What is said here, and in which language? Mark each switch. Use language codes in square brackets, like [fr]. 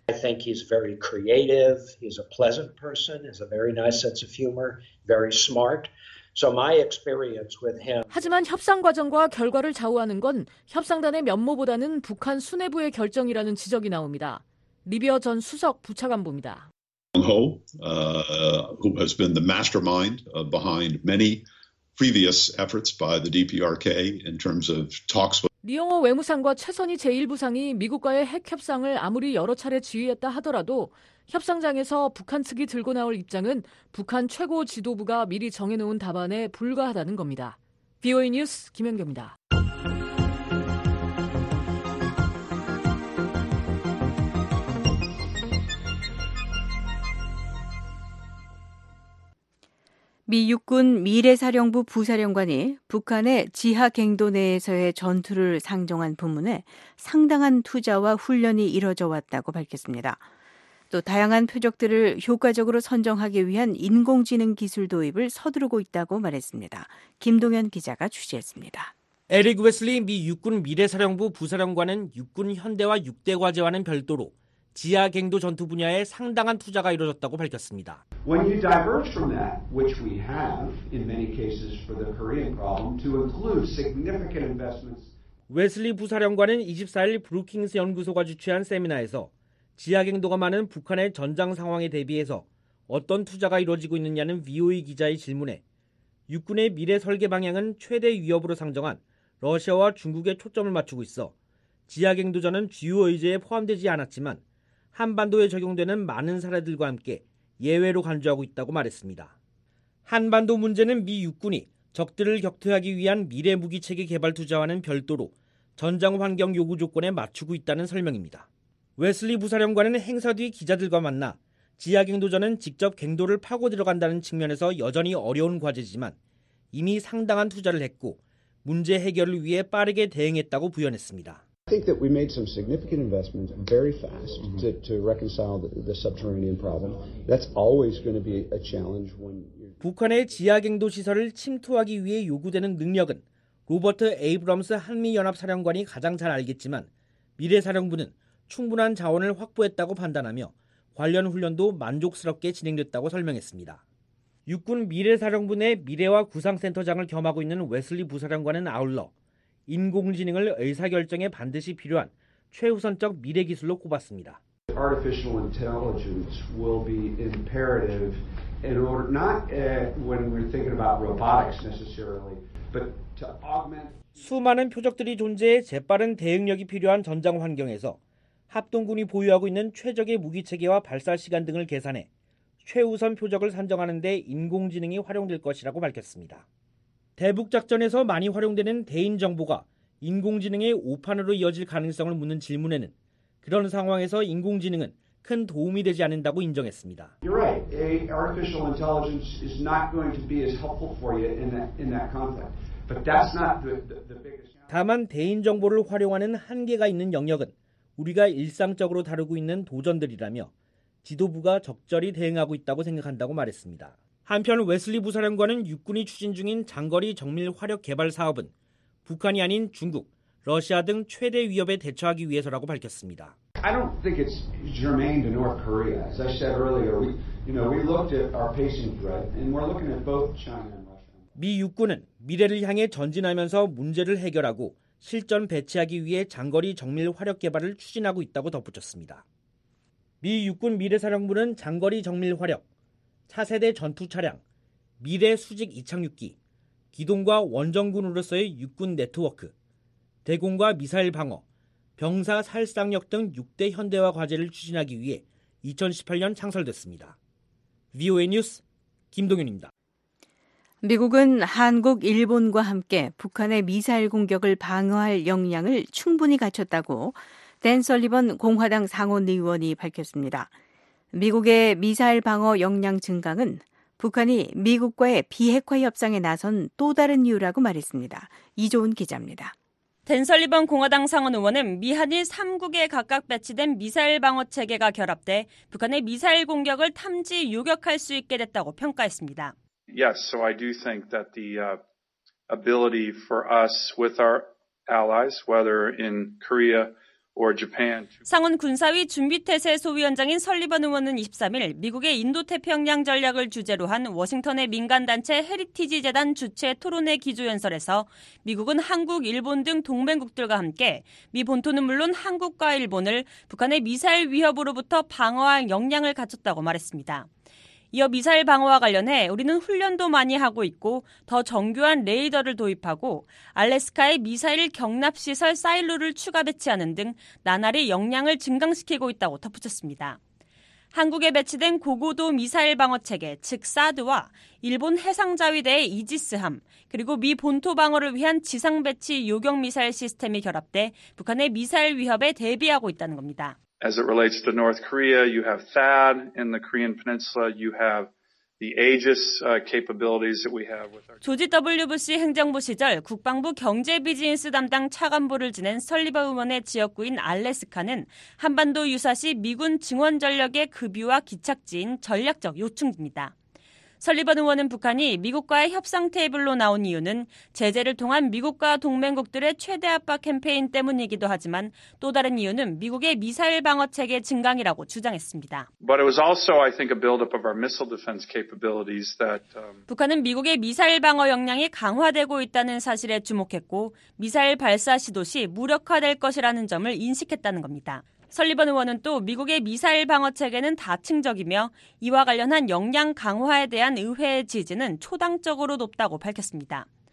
[en] I think he's very creative. He's a pleasant person. He's a very nice sense of humor. Very smart. So my experience with him. [ko] 하지만 협상 과정과 결과를 좌우하는 건 협상단의 면모보다는 북한 수뇌부의 결정이라는 지적이 나옵니다. 리비어 전 수석 부차관보입니다. [en] Ho, who has been the mastermind behind many previous efforts by the DPRK in terms of talks with [ko] 리영호 외무상과 최선희 제1부상이 미국과의 핵 협상을 아무리 여러 차례 지휘했다 하더라도 협상장에서 북한 측이 들고 나올 입장은 북한 최고 지도부가 미리 정해놓은 답안에 불과하다는 겁니다. VOA 뉴스 김연경입니다. 미 육군 미래사령부 부사령관이 북한의 지하갱도 내에서의 전투를 상정한 부문에 상당한 투자와 훈련이 이뤄져 왔다고 밝혔습니다. 또 다양한 표적들을 효과적으로 선정하기 위한 인공지능 기술 도입을 서두르고 있다고 말했습니다. 김동현 기자가 취재했습니다. 에릭 웨슬리 미 육군 미래사령부 부사령관은 육군 현대화 6대 과제와는 별도로 지하 갱도 전투 분야에 상당한 투자가 이루어졌다고 밝혔습니다. [en] When you diverge from that, which we have in many cases for the Korean problem, to include significant investments. [ko] 웨슬리 부사령관은 24일 브루킹스 연구소가 주최한 세미나에서 지하 갱도가 많은 북한의 전장 상황에 대비해서 어떤 투자가 이루어지고 있느냐는 VOA 기자의 질문에 육군의 미래 설계 방향은 최대 위협으로 상정한 러시아와 중국에 초점을 맞추고 있어 지하 갱도전은 주요 의제에 포함되지 않았지만 한반도에 적용되는 많은 사례들과 함께 예외로 간주하고 있다고 말했습니다. 한반도 문제는 미 육군이 적들을 격퇴하기 위한 미래 무기체계 개발 투자와는 별도로 전장 환경 요구 조건에 맞추고 있다는 설명입니다. 웨슬리 부사령관은 행사 뒤 기자들과 만나 지하갱도전은 직접 갱도를 파고 들어간다는 측면에서 여전히 어려운 과제지만 이미 상당한 투자를 했고 문제 해결을 위해 빠르게 대응했다고 부연했습니다. [en] I think that we made some significant investments very fast to reconcile the subterranean problem. That's always going to be a challenge when you're [ko] 북한의 지하 갱도 시설을 침투하기 위해 요구되는 능력은 로버트 에이브럼스 한미 연합 사령관이 가장 잘 알겠지만 미래 사령부는 충분한 자원을 확보했다고 판단하며 관련 훈련도 만족스럽게 진행됐다고 설명했습니다. 육군 미래 사령부 내 미래와 구상 센터장을 겸하고 있는 웨슬리 부사령관은 아울러 인공지능을 의사결정에 반드시 필요한 최우선적 미래 기술로 꼽았습니다. [en] Artificial intelligence will be imperative in order not when we're thinking about robotics necessarily, but to augment. [ko] 수많은 표적들이 존재해 재빠른 대응력이 필요한 전장 환경에서 합동군이 보유하고 있는 최적의 무기 체계와 발사 시간 등을 계산해 최우선 표적을 선정하는 데 인공지능이 활용될 것이라고 밝혔습니다. 대북 작전에서 많이 활용되는 대인 정보가 인공지능의 오판으로 이어질 가능성을 묻는 질문에는 그런 상황에서 인공지능은 큰 도움이 되지 않는다고 인정했습니다. [en] You're right. Artificial intelligence is not going to be as helpful for you in that context. But that's not the biggest. [ko] 다만 대인 정보를 활용하는 한계가 있는 영역은 우리가 일상적으로 다루고 있는 도전들이라며 지도부가 적절히 대응하고 있다고 생각한다고 말했습니다. 한편 웨슬리 부사령관은 육군이 추진 중인 장거리 정밀 화력 개발 사업은 북한이 아닌 중국, 러시아 등 최대 위협에 대처하기 위해서라고 밝혔습니다. [en] I don't think it's germane to North Korea. As I said earlier, we looked at our pacing threat and we're looking at both China and Russia. [ko] 미 육군은 미래를 향해 전진하면서 문제를 해결하고 실전 배치하기 위해 장거리 정밀 화력 개발을 추진하고 있다고 덧붙였습니다. 미 육군 미래사령부는 장거리 정밀 화력, 차세대 전투 차량, 미래 수직 이착륙기, 기동과 원정군으로서의 육군 네트워크, 대공과 미사일 방어, 병사 살상력 등 6대 현대화 과제를 추진하기 위해 2018년 창설됐습니다. VOA 뉴스 김동윤입니다. 미국은 한국, 일본과 함께 북한의 미사일 공격을 방어할 역량을 충분히 갖췄다고 댄 설리번 공화당 상원의원이 밝혔습니다. 미국의 미사일 방어 역량 증강은 북한이 미국과의 비핵화 협상에 나선 또 다른 이유라고 말했습니다. 이조은 기자입니다. 댄 설리번 공화당 상원의원은 미한일 3국에 각각 배치된 미사일 방어 체계가 결합돼 북한의 미사일 공격을 탐지 요격할 수 있게 됐다고 평가했습니다. [en] Yes, so I do think that the ability for us with our allies, whether in Korea or Japan. [ko] 상원 군사위 준비태세 소위원장인 설리번 의원은 23일 미국의 인도태평양 전략을 주제로 한 워싱턴의 민간단체 헤리티지 재단 주최 토론회 기조연설에서 미국은 한국, 일본 등 동맹국들과 함께 미 본토는 물론 한국과 일본을 북한의 미사일 위협으로부터 방어할 역량을 갖췄다고 말했습니다. 이어 미사일 방어와 관련해 우리는 훈련도 많이 하고 있고 더 정교한 레이더를 도입하고 알래스카의 미사일 격납시설 사일로를 추가 배치하는 등 나날이 역량을 증강시키고 있다고 덧붙였습니다. 한국에 배치된 고고도 미사일 방어 체계, 즉 사드와 일본 해상자위대의 이지스함, 그리고 미 본토 방어를 위한 지상 배치 요격 미사일 시스템이 결합돼 북한의 미사일 위협에 대비하고 있다는 겁니다. [en] As it relates to North Korea, you have THAAD in the Korean Peninsula. You have the Aegis capabilities that we have with our. [ko] 조지 W. 부시 행정부 시절 국방부 경제 비즈니스 담당 차관보를 지낸 설리버 의원의 지역구인 알래스카는 한반도 유사시 미군 증원 전력의 급유와 기착지인 전략적 요충지입니다. 설리번 의원은 북한이 미국과의 협상 테이블로 나온 이유는 제재를 통한 미국과 동맹국들의 최대 압박 캠페인 때문이기도 하지만 또 다른 이유는 미국의 미사일 방어 체계 증강이라고 주장했습니다. [en] But it was also, I think, a build-up of our missile defense capabilities that. [ko] 북한은 미국의 미사일 방어 역량이 강화되고 있다는 사실에 주목했고 미사일 발사 시도 시 무력화될 것이라는 점을 인식했다는 겁니다. 설리번 의원은 또 미국의 미사일 방어 체계는 다층적이며 이와 관련한 역량 강화에 대한 의회의 지지는 초당적으로 높다고 밝혔습니다.